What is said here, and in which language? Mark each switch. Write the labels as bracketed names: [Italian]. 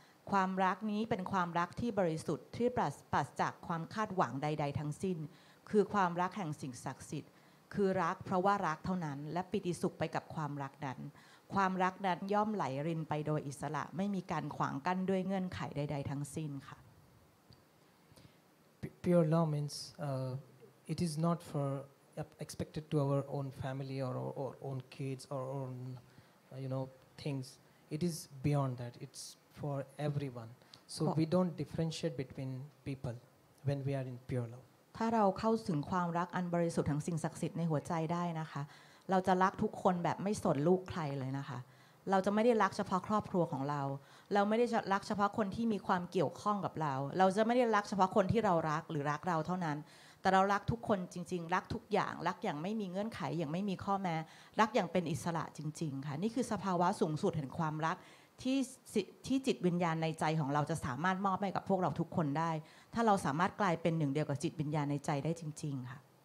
[Thai] ความรักนี้เป็นความรักที่บริสุทธิ์ที่ปราศจากความคาดหวังใดๆทั้งสิ้นคือความรักแห่งสิ่งศักดิ์สิทธิ์คือรักเพราะว่ารักเท่านั้นและปิติสุขไปกับความรักนั้นความรักนั้นย่อมไหลรินไปโดยอิสระไม่มีการขวางกั้นด้วยเงื่อนไขใดๆทั้งสิ้นค่ะ [English] Pure love means it is not for expected to our own family or our own kids or own you know things it is beyond that it'sfor everyone so we don't differentiate between people when we are in pure love [Thai] ถ้าเราเข้าถึงความรักอันบริสุทธิ์ทั้งสิ่งศักดิ์สิทธิ์ในหัวใจได้นะคะเราจะรักทุกคนแบบไม่สนลูกใครเลยนะคะเราจะไม่ได้รักเฉพาะครอบครัวของเรา เราไม่ได้รักเฉพาะคนที่มีความเกี่ยวข้องกับเราเราจะไม่ได้รักเฉพาะคนที่เรารักหรือรักเราเท่านั้นแต่เรารักทุกคนจริงๆรักทุกอย่างรักอย่างไม่มีเงื่อนไขอย่างไม่มีข้อแม้รักอย่างเป็นอิสระจริงๆค่ะนี่คือสภาวะสูงสุดแห่งความรักที่จิตวิญญาณในใจของเราจะสามารถมอบให้กับพวกเราทุกคนได้ถ้าเราสามารถกลายเป็นหนึ่งเดียวกับจิตวิญญาณในใจได้จริงๆค่ะ